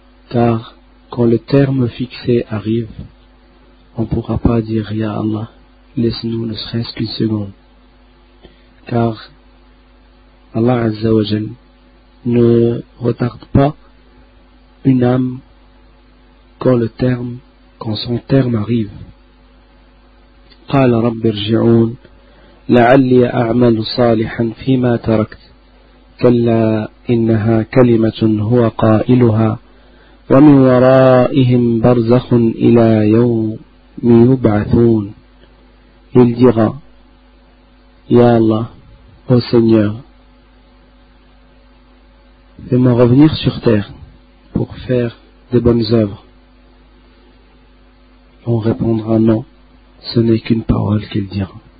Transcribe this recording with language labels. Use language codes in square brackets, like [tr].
[fr] Car quand le terme fixé arrive, on ne pourra pas dire « Ya Allah, laisse-nous ne serait-ce qu'une seconde. » Car Allah Azza wa Jal ne retarde pas une âme quand son terme arrive. [ar] « قال رب ارجعون لعلي أعمل صالحا فيما تركت كلا إنها كلمة هو قائلها ومن ورائهم برزخ إلى يوم يبعثون. [fr] Il dira, Ya Allah, ô Seigneur, fais-moi revenir sur terre pour faire de bonnes œuvres. On répondra non, ce n'est qu'une parole qu'il dira.